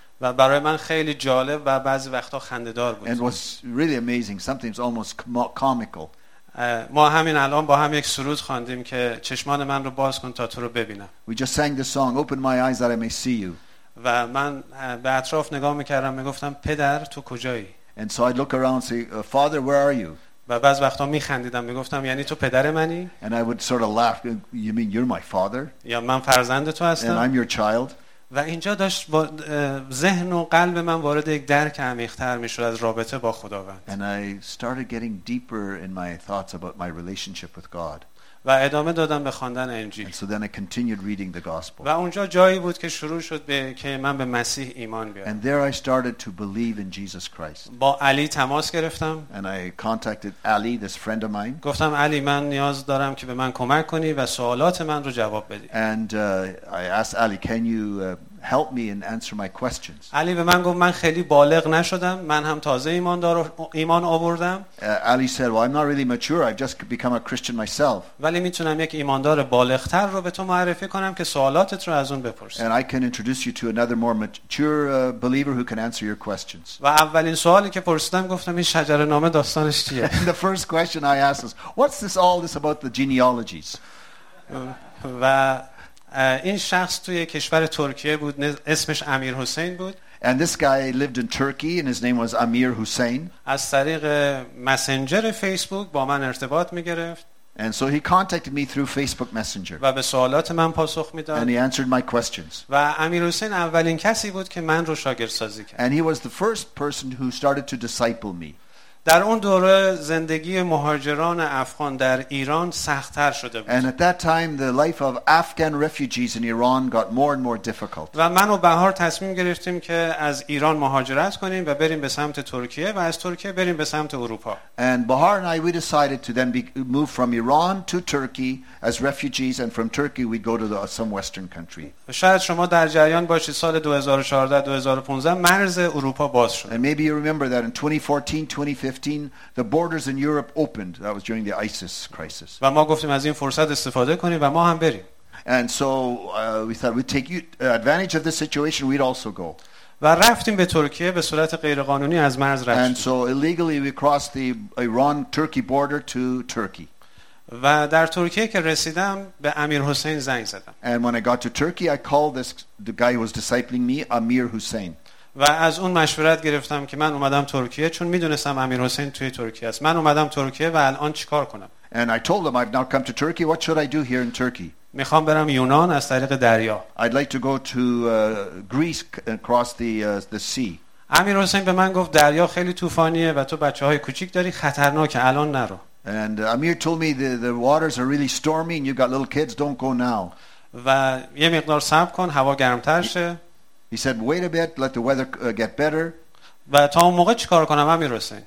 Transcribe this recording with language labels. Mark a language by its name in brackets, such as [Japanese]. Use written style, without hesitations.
[Persian] و برای من خیلی جالب و بعضی وقتا خنده‌دار بود. [English] And it was really amazing. Something's almost comical. [Persian] ما همین الان با هم یک سرود خواندیم که چشمان من رو باز کن تا تو رو ببینم. [English] We just sang the song, open my eyes that I may see you. [Persian] و من به اطراف نگاه میکردم، میگفتم پدر تو کجایی؟ [English] And so I'd look around and say, father, where are you? [Persian] و بعض وقتا میخندیدم، میگفتم یعنی تو پدر منی؟ [English] And I would sort of laugh, you mean you're my father? [Persian] یا من فرزند تو هستم؟ [English] And I'm your child. [Persian] و اینجا داشت با ذهن و قلب من وارد یک درک عمیق‌تر می‌شد از رابطه با خداوند. [English] And I started getting deeper in my thoughts about my relationship with God. [Persian] و ادامه دادم به خواندن انجیل. [English] And so then I continued reading the gospel. [Persian] و اونجا جایی بود که شروع شد به که من به مسیح ایمان بیارم. [English] And there I started to believe in Jesus Christ. [Persian] با علی تماس گرفتم. [English] And I contacted Ali, this friend of mine. [Persian] گفتم علی من نیاز دارم که به من کمک کنی و سوالات من رو جواب بدی. [English] And I asked Ali, can you help me and answer my questions. [Persian] علی به من گفت من خیلی بالغ نشدم، من هم تازه ایمان آوردم. [English] Ali said, well, I'm not really mature. I've just become a Christian myself. [Persian] ولی میتونم یک ایماندار بالغتر رو به تو معرفی کنم که سوالاتت رو از اون بپرسی. [English] And I can introduce you to another more mature believer who can answer your questions. [Persian] و اولین سوالی که پرسیدم گفتم این شجره نامه داستانش چیه؟ [English] The first question I asked is, what's this all this about the genealogies? [Persian] و این شخص توی کشور ترکیه بود، اسمش امیر حسین بود. [English] And this guy lived in Turkey and his name was Amir Hussein. [Persian] از طریق مسنجر فیسبوک با من ارتباط می‌گرفت. [English] And so he contacted me through Facebook Messenger. [Persian] و به سوالات من پاسخ می‌داد. [English] And he answered my questions. [Persian] و امیر حسین اولین کسی بود که من رو شاگردسازی کرد. [English] And he was the first person who started to disciple me. [Persian] در اون دوره زندگی مهاجران افغان در ایران سخت‌تر شده بود. [English] And at that time the life of Afghan refugees in Iran got more and more difficult. [Persian] و من و بهار تصمیم گرفتیم که از ایران مهاجرت کنیم و بریم به سمت ترکیه و از ترکیه بریم به سمت اروپا. [English] And Bahar and I we decided to then move from Iran to Turkey as refugees and from Turkey we'd go to some western country. [Persian] شاید شما در جریان باشید سال 2014-2015 مرز اروپا باز شد. [English] And maybe you remember that in 2014-2015 the borders in Europe opened. That was during the ISIS crisis. [Persian] و ما گفتیم از این فرصت استفاده کنیم و ما هم بریم. [English] And so we thought we'd take advantage of this situation, we'd also go. [Persian] و رفتیم به ترکیه به صورت غیرقانونی از مرز رفتیم. [English] And so illegally we crossed the Iran-Turkey border to Turkey. [Persian] و در ترکیه که رسیدم به امیر حسین زنگ زدم. [English] And when I got to Turkey I called this the guy who was discipling me, Amir Hussein. [Persian] و از اون مشورت گرفتم که من اومدم ترکیه چون میدونستم امیر حسین توی ترکیه است. من اومدم ترکیه و الان چیکار کنم؟ [English] And I told him I've now come to Turkey. What should I do here in Turkey? [Persian] میخوام برم یونان از طریق دریا. [English] I'd like to go to Greece across the sea. [Persian] امیر حسین به من گفت دریا خیلی طوفانیه و تو بچه‌های کوچیک داری، خطرناکه، الان نرو. [English] And Amir told me the waters are really stormy and you got little kids, don't go now. [Persian] و یه مقدار صبر کن، هوا گرم‌تر شه. [English] He said, wait a bit, let the weather get better. [Persian] و تا اون موقع چی کار کنم امیر حسین؟